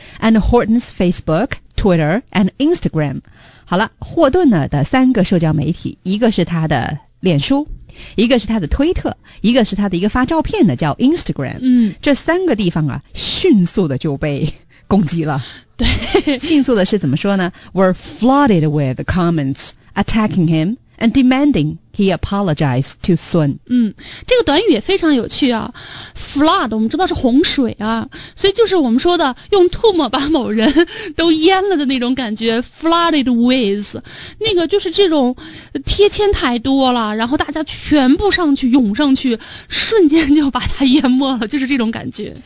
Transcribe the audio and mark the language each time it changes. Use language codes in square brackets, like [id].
[en] And Horton's Facebook, Twitter, and Instagram。 [zh] 好了，霍顿呢的三个社交媒体，一个是他的脸书，一个是他的推特，一个是他的一个发照片的叫 Instagram。嗯，这三个地方啊，迅速的就被攻击了。对，迅速的是怎么说呢？ [en] Were flooded with comments attacking him and demanding He apologized to Sun. [zh] 嗯，这个短语也非常有趣啊。Flood 我们知道是洪水啊，所以就是我们说的用唾沫把某人都淹了的那种感觉。 Flooded with， 那个就是这种贴签太多了，然后大家全部上去涌上去，瞬间就把它淹没了，就是这种感觉，